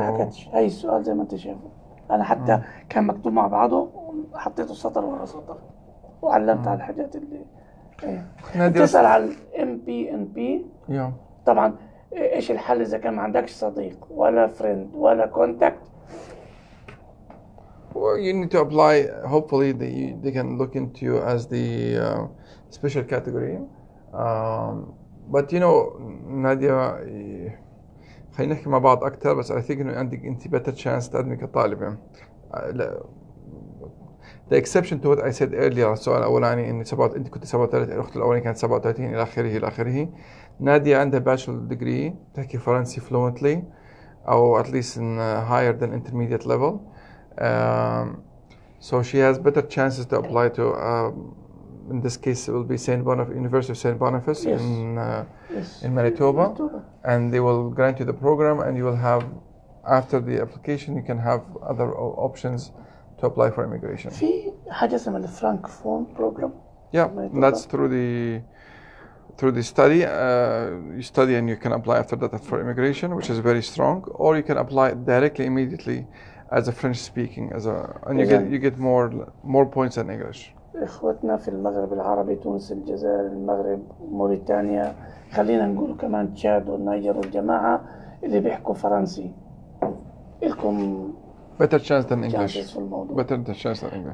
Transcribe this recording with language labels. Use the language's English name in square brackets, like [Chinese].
[Arabic] ما حكتش اي سؤال زي ما انت شايفه انا حتى كان مكتوب مع بعضه حطيته سطر ورا سطر وعلمت على الحاجات اللي تسأل على الام بي ان بي طبعا ايش الحل اذا كان ما عندكش صديق ولا فريند ولا كونتاكت [English] Well, you need to apply. Hopefully, they can look into you as the special category. But you know, [Arabic] Nadia, خلينا نحكي مع بعض أكثر. بس [English] I think [Arabic] إنه عندك أنت [English] better chance [Arabic] تقدمك طالبة. [English] The exception to what I said earlier. [Arabic] السؤال الأولاني إن سبعة أنت كنت 37 الأخت الأولاني كانت 37 إلى آخره إلى آخره. [English] Nadia [Arabic] عندها [English] bachelor degree. [Arabic] تحكي فرنسي [English] fluently, or at least in higher than intermediate level. So she has better chances to apply to, in this case, it will be Saint Boniface, University of Saint Boniface yes. In Manitoba. And they will grant you the program and you will have, after the application, you can have other options to apply for immigration. [Arabic] في حاجة اسمها [English] the Francophone program. Yeah, that's through the study. You study and you can apply after that for immigration, which is very strong. Or you can apply directly, immediately. As a French speaking, as a and you get more points than English. [Arabic] إخوتنا في المغرب العربي تونس الجزائر المغرب موريتانيا خلينا نقول كمان تشاد والنيجر والجماعة اللي بيحكوا فرنسي لكم [English] better chance than English. [Arabic] في الموضوع. [English] Better chance than English.